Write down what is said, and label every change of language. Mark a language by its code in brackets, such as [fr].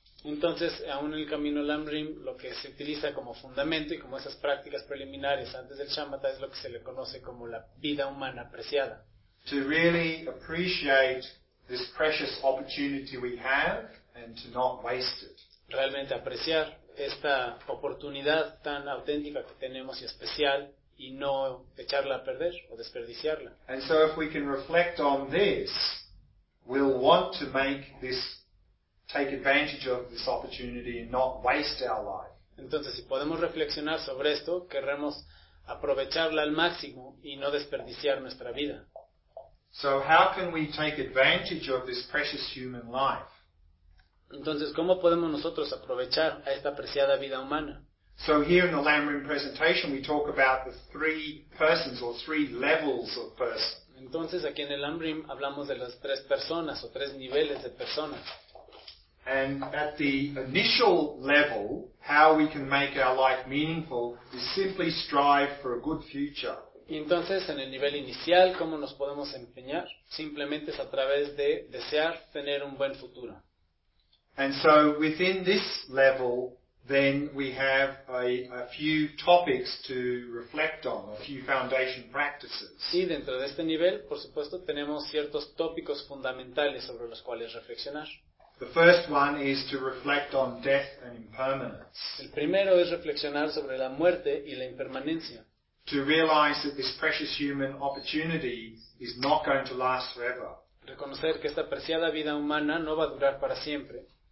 [es] Entonces, aún en el camino Lam Rim, lo que se utiliza como fundamento y como esas prácticas preliminares antes del shamatha es lo que se le conoce como la vida humana apreciada. [en] To really appreciate this precious opportunity we have and to not waste it. [es] Realmente apreciar esta oportunidad tan auténtica que tenemos y especial y no echarla a perder o desperdiciarla. [en] And so if we can reflect on this, we'll want to make this, take advantage of this opportunity and not waste our life. [es] Entonces, si podemos reflexionar sobre esto, querremos aprovecharla al máximo y no desperdiciar nuestra vida. [en] So how can we take advantage of this precious human life? [es] Entonces, ¿cómo podemos nosotros aprovechar a esta apreciada vida humana? [en] So here in the Lam Rim presentation we talk about the three persons or three levels of person. [es] Entonces aquí en el Lam Rim hablamos de las tres personas o tres niveles de personas. [en] And at the initial level, how we can make our life meaningful is simply strive for a good future. [es] Y entonces en el nivel inicial, ¿cómo nos podemos empeñar? Simplemente es a través de desear tener un buen futuro. [en] And so within this level, then we have a few topics to reflect on, a few foundation practices. [es] Y dentro de este nivel, por supuesto, tenemos ciertos tópicos fundamentales sobre los cuales reflexionar. [en] The first one is to reflect on death and impermanence. [es] El primero es reflexionar sobre la muerte y la impermanencia. [en] To realize that this precious human opportunity is not going to last forever. [es] Reconocer que esta preciada vida humana no va a durar para siempre.